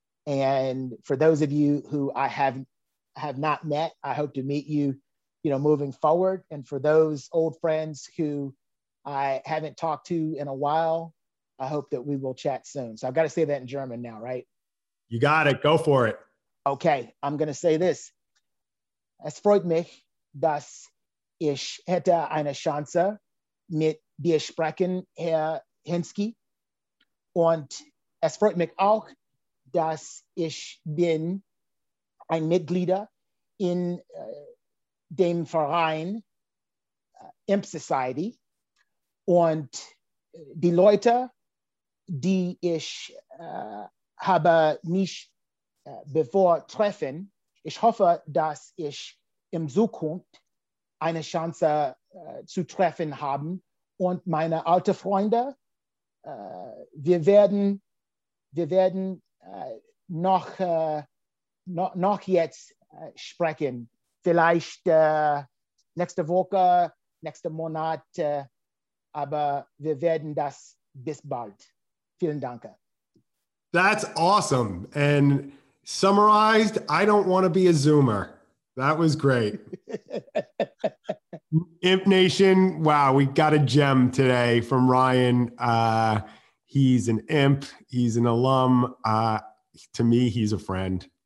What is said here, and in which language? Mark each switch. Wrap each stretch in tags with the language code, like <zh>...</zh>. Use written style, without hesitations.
<en>And for those of you who I have not met, I hope to meet you, you know, moving forward. And for those old friends who I haven't talked to in a while, I hope that we will chat soon. So I've got to say that in German now, right? You got it. Go for it. Okay, I'm going to say this.</en> <de>Es freut mich, dass ich hätte eine Chance mit dir sprechen, Herr Hensky. Und es freut mich auch, dass ich bin ein Mitglied in dem Verein Imp Society. Und die Leute, die ich habe nicht bevor treffen, ich hoffe, dass ich in Zukunft eine Chance zu treffen haben und meine alten Freunde, wir werden noch jetzt sprechen, vielleicht nächste Woche, nächsten Monat, aber wir werden das bis bald. Vielen Dank.</de> <en>That's awesome. And summarized, I don't want to be a Zoomer. That was great. Imp Nation, wow, we got a gem today from Ryan. He's an imp. He's an alum. To me, he's a friend.</en>